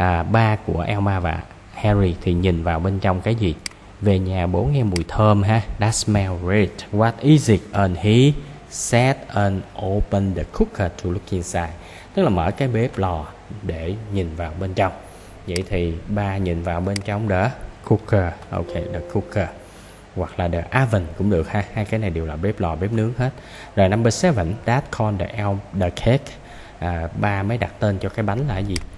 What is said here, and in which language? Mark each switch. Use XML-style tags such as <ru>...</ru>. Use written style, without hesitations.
<vi>ba của Elma và Harry thì nhìn vào bên trong cái gì? Về nhà bố nghe mùi thơm ha.</vi> <en>That smell great. What is it? And he sat and opened the cooker to look inside.</en> <vi>Tức là mở cái bếp lò để nhìn vào bên trong. Vậy thì ba nhìn vào bên trong</vi> <en>the cooker.</en> <vi>Ok, the cooker. Hoặc là the oven cũng được ha. Hai cái này đều là bếp lò, bếp nướng hết. Rồi</vi> <en>number 7, dad called the cake.</en> <vi>Ba mới đặt tên cho cái bánh là gì?</vi>